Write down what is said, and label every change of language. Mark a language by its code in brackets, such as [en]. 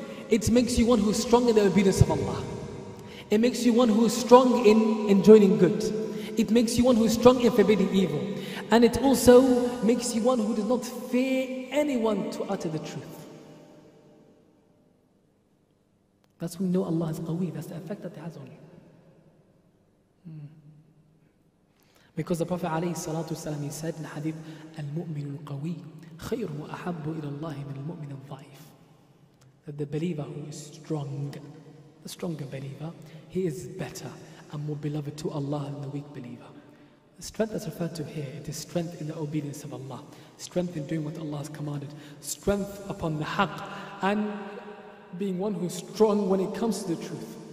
[en] It makes you one who is strong in the obedience of Allah. It makes you one who is strong in enjoining good. It makes you one who is strong in forbidding evil. And it also makes you one who does not fear anyone to utter the truth. That's when you know Allah is qawi. That's the effect that it has on you. Because the Prophet [ar] عليه الصلاة والسلام, [en] he said in hadith, [ar] المؤمن القوي خير وأحب إلى الله من المؤمن الضعيف. [en] That the believer who is strong, the stronger believer, he is better and more beloved to Allah than the weak believer. The strength that's referred to here, it is strength in the obedience of Allah, strength in doing what Allah has commanded, strength upon the haqq, and being one who is strong when it comes to the truth.